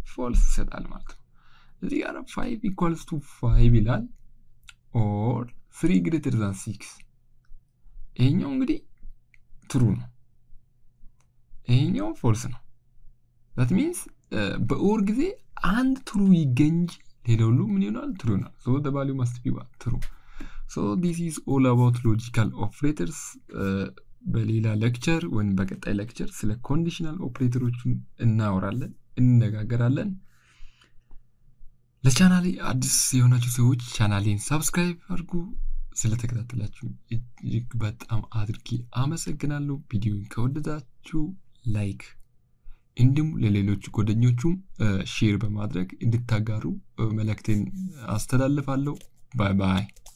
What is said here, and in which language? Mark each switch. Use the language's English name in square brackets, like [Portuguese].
[Amharic] false ይሰጣል ማለት ነው። እዚህ ጋር [English] 5 equals to 5 [Amharic] ይላል [English] or 3 greater than 6 [Amharic] ይሄኛው እንግዲህ true ነው፣ ይሄኛው false ነው። [English] that means [Amharic] በኦር ጊዜ አንድ true ይገኝ ሌላው ሁሉ ምን ይሆናል? [English] true ነው። so the value must be true. so this is all about logical operators. [Amharic] በሌላ ሌክቸር ወይም በቀጣይ ሌክቸር ስለ ኮንዲሽናል ኦፕሬተሮችን እናወራለን፣ እንነጋገራለን። ለቻናሌ አዲስ የሆናችሁ ሰዎች ቻናሌን ሰብስክራይብ አድርጉ። ስለተከታተላችሁ እጅግ በጣም አድርጌ አመሰግናለሁ። ቪዲዮን ከወደዳችሁ ላይክ፣ እንዲሁም ለሌሎች ጓደኞቹም ሼር በማድረግ እንድታጋሩ መልእክቴን አስተላልፋለሁ። ባይ ባይ።